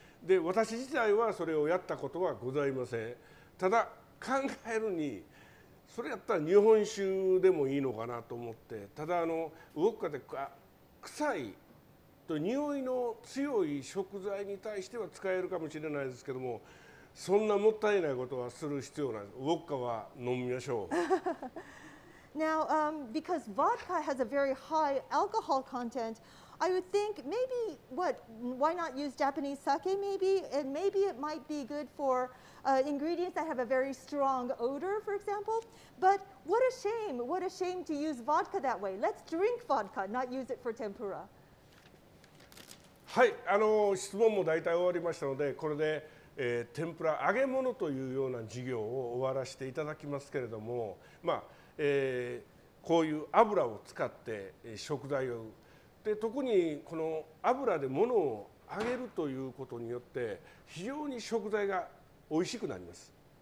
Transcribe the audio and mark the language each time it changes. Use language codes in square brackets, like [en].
[ja] で、私自体はそれをやったことはございません。ただ考えるにそれやったら日本酒でもいいのかなと思って、ただあのウォッカで臭いと匂いの強い食材に対しては使えるかもしれないですけども、そんなもったいないことはする必要ない。ウォッカは飲みましょう。 [en] Now, because vodka has a very high alcohol contentI would think maybe, why not use Japanese sake maybe? And maybe it might be good for ingredients that have a very strong odor, for example. But what a shame, to use vodka that way. Let's drink vodka, not use it for tempura. [ja] はい、あの質問も大体終わりましたので、これで、天ぷら揚げ物というような授業を終わらせていただきますけれども、まあ、こういう油を使って食材をで特にこの油で物を揚げるということによって非常に食材が美味しくなります。